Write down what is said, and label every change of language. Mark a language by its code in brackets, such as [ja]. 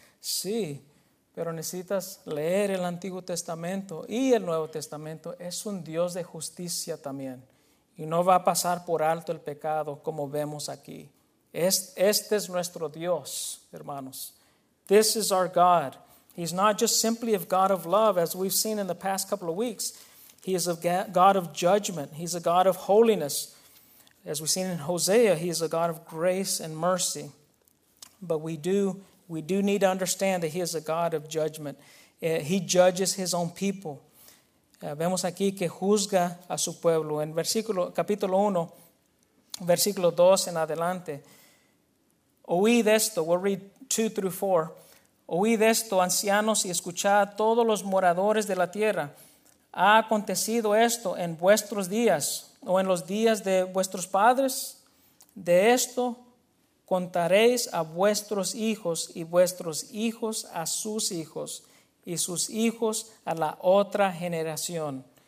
[es] Sí, pero necesitas leer el Antiguo Testamento y el Nuevo Testamento. Es un Dios de justicia también. Y no va a pasar por alto el pecado como vemos aquí. Este es nuestro Dios, hermanos. [en] This is our God. He's not just simply a God of love, as we've seen in the past couple of weeks. He is a God of judgment. He's a God of holiness. As we've seen in Hosea, he is a God of grace and mercy. But we do need to understand that he is a God of judgment. He judges his own people. [es] Vemos aquí que juzga a su pueblo. En capítulo 1, versículo 2 en adelante. Oíd esto, [en] we'll read 2 through 4. [es] Oíd esto, ancianos, y escuchad todos los moradores de la tierra. ¿Ha acontecido esto en vuestros días o en los días de vuestros padres? De esto contaréis a vuestros hijos y vuestros hijos a sus hijos y sus hijos a la otra generación.